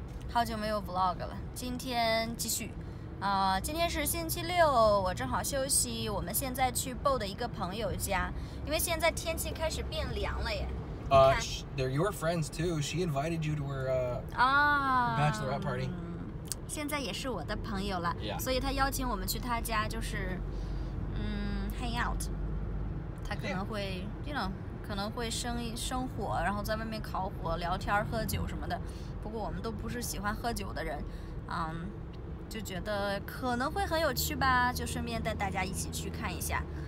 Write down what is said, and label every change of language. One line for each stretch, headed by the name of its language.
Chinese: 好久没有 vlog 了，今天继续。今天是星期六，我正好休息。我们现在去 Bo 的一个朋友家，因为现在天气开始变凉了耶。
English: They're your friends too. She invited you to her bachelorette party.
Chinese: 现在也是我的朋友了， yeah. 所以她邀请我们去她家，就是
English: hang out.
Chinese: 她可能会、 yeah.
English: you know,
Chinese: 可能会生火，然后在外面烤火聊天喝酒什么的。不过我们都不是喜欢喝酒的人，就觉得可能会很有趣吧，就顺便带大家一起去看一下。